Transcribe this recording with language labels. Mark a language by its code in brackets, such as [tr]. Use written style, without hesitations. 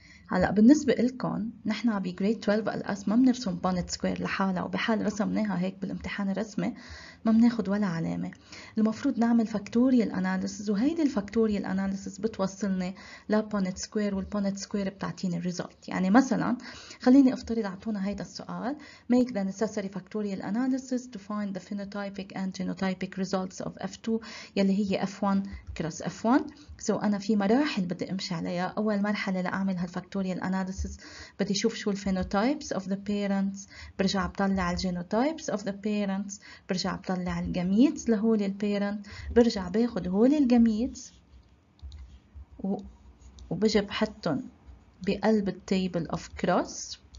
[ar] هلا بالنسبة لكم، نحن بجريد 12 الاس ما بنرسم بونت سكوير لحالها، وبحال رسمناها هيك بالامتحان الرسمي ما بناخد ولا علامة. المفروض نعمل فاكتوريال اناليسز، وهيدي الفاكتوريال اناليسز بتوصلني لبونت سكوير، والبونت سكوير بتعطيني الريزلت. يعني مثلا خليني افترض اعطونا هيدا السؤال: [en] make the necessary factorial analysis to find the phenotypic and genotypic results of F2 يلي هي F1 cross F1. [ar] سو انا في مراحل بدي امشي عليها. اول مرحلة لاعمل هالفاكتوريال factorial analysis بدي اشوف شو الفينوتايبس اوف ذا بيرنتس، برجع بطلع الجينوتايبس اوف ذا بيرنتس، برجع بطلع الجاميتس لهول البيرنت، برجع باخد هول الجاميتس وبجي بحطهم بقلب التيبل اوف كروس.